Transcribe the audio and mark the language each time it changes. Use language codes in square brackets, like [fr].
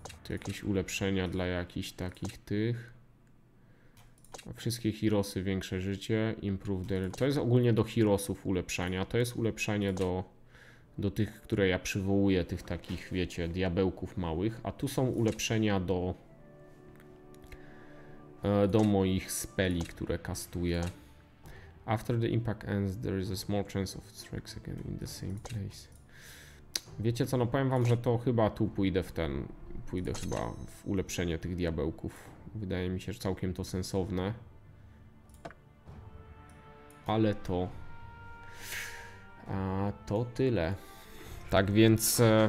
[pl] Jakieś ulepszenia dla jakichś takich tych. Wszystkie heroesy większe życie. [en] Improve the... [pl] To jest ogólnie do heroesów ulepszania. To jest ulepszenie do tych, które ja przywołuję. Tych takich, wiecie, diabełków małych. A tu są ulepszenia do moich speli, które kastuję. [en] After the impact ends, there is a small chance of strikes again in the same place. [pl] Wiecie co, no powiem wam, że to chyba tu pójdę w ten... Pójdę chyba w ulepszenie tych diabełków. Wydaje mi się, że całkiem to sensowne. Ale to... to tyle. Tak więc...